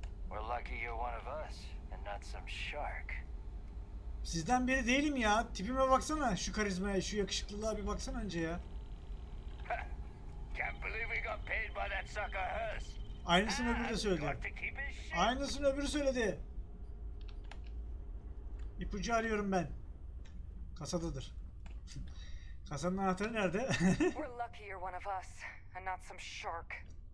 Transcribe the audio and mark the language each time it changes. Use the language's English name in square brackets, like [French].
[English] We're lucky you're one of us and not some shark. [Turkish] Sizden biri değilim ya. Tipime baksana. Şu karizmaya, şu yakışıklılığa bir baksana önce ya. [English] Can't believe we got paid by that sucker Hearth. [Turkish] Aynısını öbürü de söyledi. Aynısını öbürü söyledi. İpucu arıyorum ben. Kasadadır. Kasanın anahtarı nerede? [English] We're lucky you're one of us and not some shark.